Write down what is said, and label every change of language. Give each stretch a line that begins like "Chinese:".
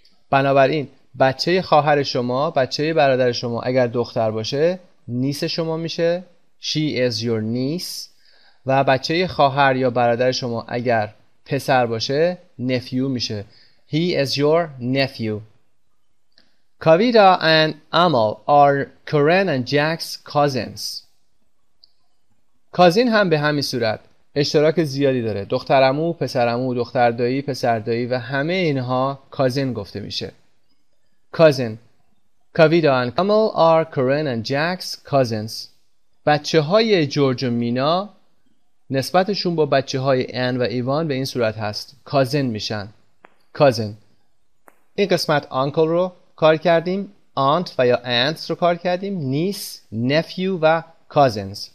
Persian: بنابراین بچه خواهر شما، بچه برادر شما اگر دختر باشه، نیست شما میشه.
English: She is your niece.
Persian: و بچه خواهر یا برادر شما اگر پسر باشه، نفیو میشه.
English: He is your nephew. Kavita and Amal are Karen and Jack's cousins.
Persian: کازین هم به همین صورت اشتراک زیادی داره. دختر عمو، پسر عمو، دختر دایی، پسر دایی و همه اینها کازین گفته میشه.
English: Cousin. Kavita and Amal are Karen and Jack's cousins.
Persian: بچه های جورج و مینا نسبتشون با بچه های ان و ایوان به این صورت هست، کازن میشن. کازن. این قسمت آنکل رو کار کردیم، آنت و یا انت رو کار کردیم، نیس، نفیو و کازنز.